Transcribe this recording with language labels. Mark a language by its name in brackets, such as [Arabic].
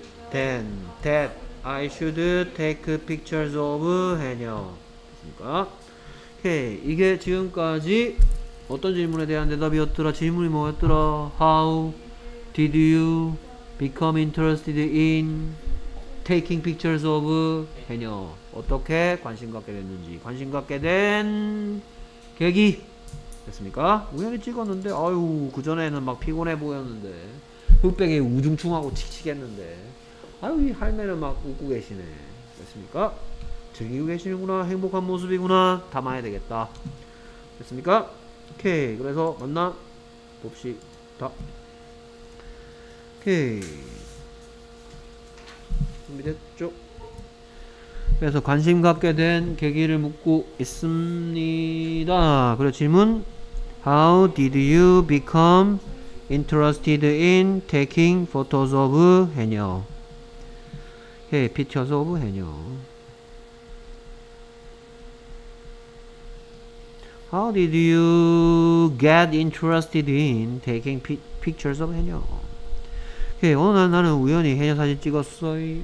[English] Then that I should take pictures of 해녀. [Korean] 됐습니까? 오케이. 이게 지금까지 어떤 질문에 대한 대답이었더라? 질문이 뭐였더라? [English] How did you become interested in taking pictures of 해녀. [Korean] 어떻게 관심 갖게 됐는지. 관심 갖게 된 계기. 됐습니까? 우연히 찍었는데 아유 그 전에는 막 피곤해 보였는데 흑백에 우중충하고 칙칙했는데 아유 이 할매는 막 웃고 계시네. 됐습니까? 즐기고 계시는구나. 행복한 모습이구나. 담아야 되겠다. 됐습니까? 오케이. 그래서 만나 봅시다. 오케이. 준비됐죠? 그래서 관심 갖게 된 계기를 묻고 있습니다. 그리고 질문 [English] How did you become interested in taking photos of 해녀? Hey, pictures of 해녀. How did you get interested in taking pictures of 해녀? [Korean] Hey, 어느 날 나는 우연히 해녀 사진 찍었어.